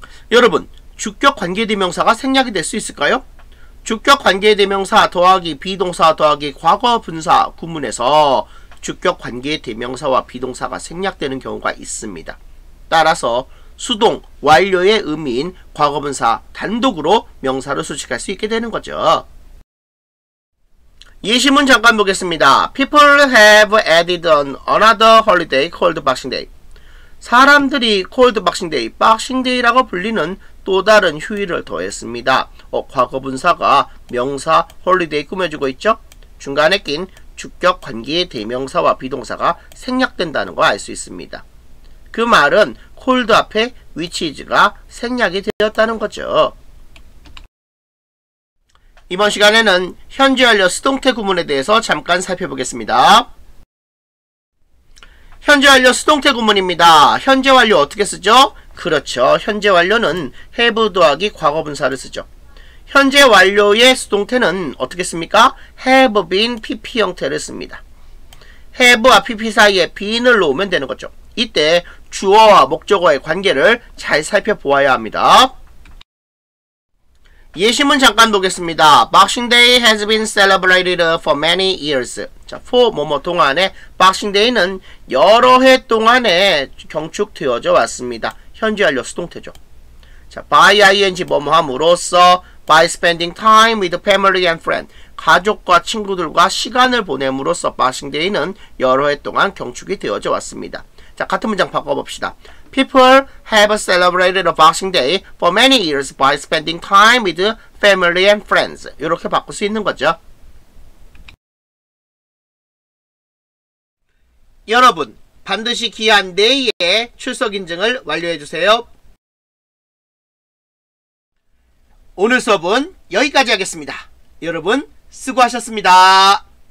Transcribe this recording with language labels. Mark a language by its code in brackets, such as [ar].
[ko] 여러분, 주격 관계 대명사가 생략이 될 수 있을까요? 주격 관계 대명사 더하기 비동사 더하기 과거 분사 구문에서 주격 관계 대명사와 비동사가 생략되는 경우가 있습니다. 따라서 수동 완료의 의미인 과거 분사 단독으로 명사를 수식할 수 있게 되는 거죠. 예시문 잠깐 보겠습니다. [en] People have added on another holiday called Boxing Day. [ko] 사람들이 Cold Boxing Day, Boxing Day라고 불리는 또 다른 휴일을 더했습니다. 과거분사가 명사 holiday 꾸며주고 있죠? 중간에 낀 주격 관계의 대명사와 비동사가 생략된다는 거 알 수 있습니다. 그 말은 Cold 앞에 [en] which is [ko] 가 생략이 되었다는 거죠. 이번 시간에는 현재 완료 수동태 구문에 대해서 잠깐 살펴보겠습니다. 현재 완료 수동태 구문입니다. 현재 완료 어떻게 쓰죠? 그렇죠. 현재 완료는 have 더하기 과거분사를 쓰죠. 현재 완료의 수동태는 어떻게 씁니까? have been pp 형태를 씁니다. have와 pp 사이에 been을 놓으면 되는 거죠. 이때 주어와 목적어의 관계를 잘 살펴보아야 합니다. 예시문 잠깐 보겠습니다. [en] Boxing Day has been celebrated for many years. [ko] 자, for 뭐뭐 동안에 Boxing Day는 여러 해 동안에 경축되어져 왔습니다. 현재 완료 수동태죠. 자, by ing 뭐뭐 함으로써 [en] by spending time with family and friends [ko] 가족과 친구들과 시간을 보냄으로써 Boxing Day는 여러 해 동안 경축이 되어져 왔습니다. 자, 같은 문장 바꿔봅시다. [en] People have celebrated a Boxing Day for many years by spending time with family and friends. [ko] 이렇게 바꿀 수 있는 거죠. 여러분, 반드시 기한 내에 출석 인증을 완료해주세요. 오늘 수업은 여기까지 하겠습니다. 여러분, 수고하셨습니다.